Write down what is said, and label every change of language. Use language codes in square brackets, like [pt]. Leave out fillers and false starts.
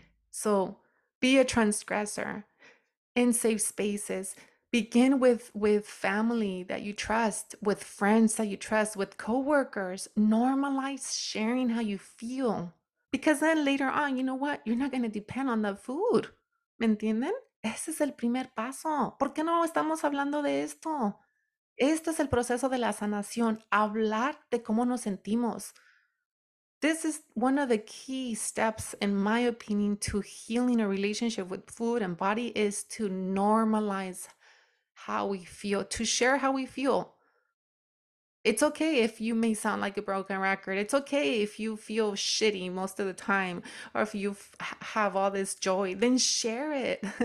[en] So be a transgressor in safe spaces. Begin with family that you trust, with friends that you trust, with coworkers. Normalize sharing how you feel. Because then later on, you know what? You're not going to depend on the food. [es] ¿Me entienden? Ese es el primer paso. ¿Por qué no estamos hablando de esto? Este es el proceso de la sanación, hablar de cómo nos sentimos. [en] This is one of the key steps, in my opinion, to healing a relationship with food and body is to normalize how we feel, to share how we feel. It's okay if you may sound like a broken record. It's okay if you feel shitty most of the time, or if you have all this joy, then share it.